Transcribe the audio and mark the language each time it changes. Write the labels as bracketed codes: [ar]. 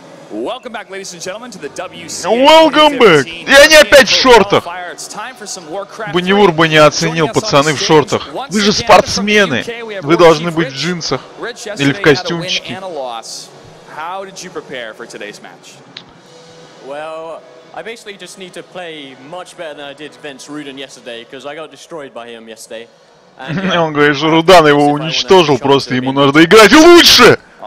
[en] Welcome back, ladies and gentlemen, to the WCA. Welcome back! [ru] И они опять в шортах! Бунивур бы не оценил, пацаны в шортах. Вы же спортсмены! Вы должны быть в джинсах. Или в костюмчике. [en] How did you prepare for today's match? Well, I basically just need to play much better than I did against Rudan yesterday, because I got destroyed by him yesterday. [ru] Он говорит, что Рудан его уничтожил, просто ему нужно играть лучше!